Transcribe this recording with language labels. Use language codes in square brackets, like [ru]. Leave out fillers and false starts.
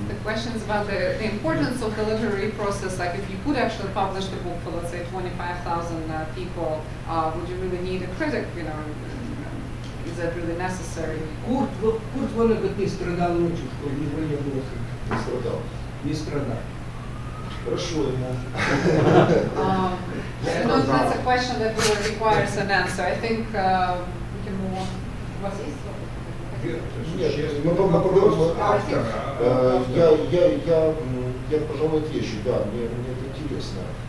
[en] The question is about the importance of delivery process. Like, if you could actually publish the book for, let's say, 25,000 people, would you really need a critic, you know? Is that really necessary? [ru] Курт Воннегут не страдал ночью, что у него не было критика. Не страдал. Не страдал. Хорошо ему. [en] That's a question that really requires an answer. I think we can move on. [ru] У вас есть вопрос? Нет, мы поговорим вот автора. Я, пожалуй, отвечу, да, мне это интересно.